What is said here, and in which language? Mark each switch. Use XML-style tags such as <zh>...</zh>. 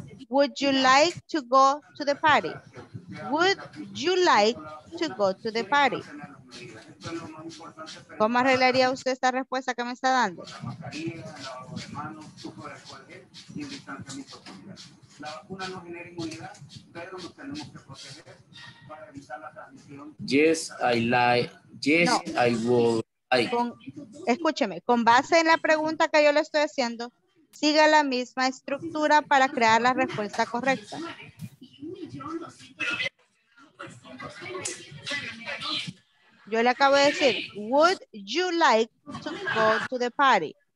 <en>Would you like to go to the party? Would you like to go to the party?</en> <es>¿Cómo arreglaría usted esta respuesta que me está dando?</es> <en>Yes, I like. Yes, no. I will. I.</en> <es>Escúcheme, con base en la pregunta que yo le estoy haciendo, siga la misma estructura para crear la respuesta correcta. Yo le acabo de decir,</es> <en>would you like to go to the party?</en>